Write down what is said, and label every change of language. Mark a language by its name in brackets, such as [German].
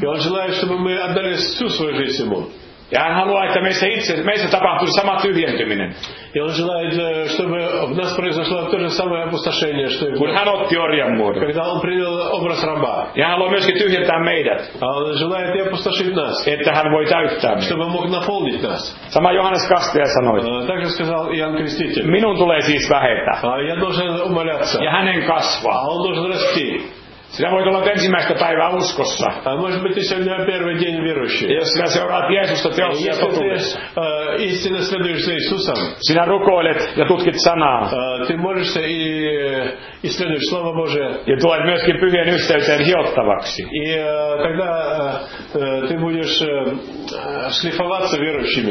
[Russian] И он желает, чтобы мы отдали всю свою жизнь ему. [Finnish] Ja hän haluaa, että meissä tapahtuu sama tyhjentyminen. [Russian] И он желает, чтобы в нас произошло то же самое опустошение, что и в нем. Когда он принял образ раба. Я хочу [Finnish] myöskin tyhjentää meidät. [Russian] Он желает и опустошить нас. [Finnish] Että hän voi täyttää meidät. [Russian] Чтобы мог наполнить нас. Сама [Finnish] Johannes Kastaja sanoi. [Russian] Так же сказал Иоанн Креститель. [Finnish] Minun tulee siis vähetä. [Russian] Я должен умоляться. [Finnish] Ja hänen kasvaa. [Russian] Он должен расти. [Finnish] Sinä voit olla ensimmäistä päivää uskossa. [Russian] Может быть, ты сегодня первый день верующий. [Finnish] Jos sinä seuraat Jeesusta teossa ja totuudessa. [Russian] Если ты следуешь Иисусом. [Finnish] Sinä rukoilet ja tutkit sanaa. [Russian] Ты молишься и следуешь Слово Божие. [Finnish] Ja tulet myöskin pyhien yhteyteen hiottavaksi. [Russian] И тогда ты будешь шлифоваться верующими.